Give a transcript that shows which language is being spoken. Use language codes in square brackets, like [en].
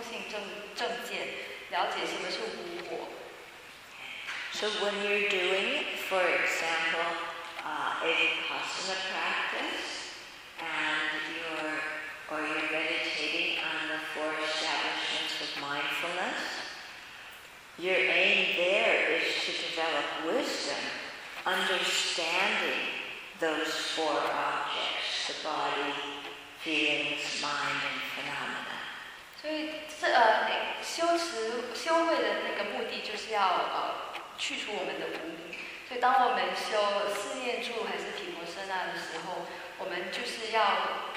[zh] 那修慧呢，是使我们了解什么是空性正见，了解什么是无我。 [en] So when you're doing, for example, a Vipassana practice, and you're meditating on the four establishments of mindfulness, your aim there is to develop wisdom, understanding those four objects, the body, feelings, mind, and phenomena. [zh] 所以修慧的那个目的就是要去除我们的无明。所以当我们修四念住还是毗婆舍那的时候，我们就是要